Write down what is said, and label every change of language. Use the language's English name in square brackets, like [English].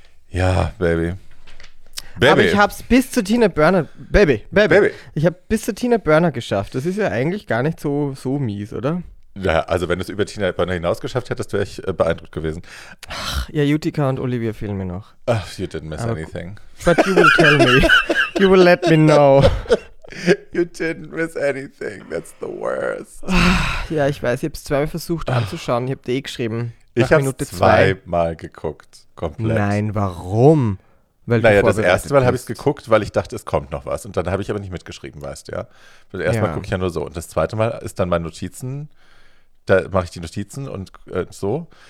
[German] Ja, Baby. Aber ich hab's bis zu Tina Burner. Baby. Ich hab bis zu Tina Burner geschafft. Das ist ja eigentlich gar nicht so mies, oder? Ja, also wenn du es über Tina Burner hinaus geschafft hättest, wäre ich beeindruckt gewesen. Ach, ja, Utica und Olivia fehlen mir noch. [English] Ach, you didn't miss anything. But you will tell me. You will let me know. You didn't miss anything. That's the worst. [German] Ja, ich weiß, ich habe es zweimal versucht anzuschauen. Ich habe dir eh geschrieben. Ich habe es zweimal geguckt, komplett. Nein, warum? Weil naja, das erste Mal habe ich es geguckt, weil ich dachte, es kommt noch was. Und dann habe ich aber nicht mitgeschrieben, weißt du, ja. Das erste Mal gucke ich ja nur so. Und das zweite Mal ist dann meine Notizen. Da mache ich die Notizen und so.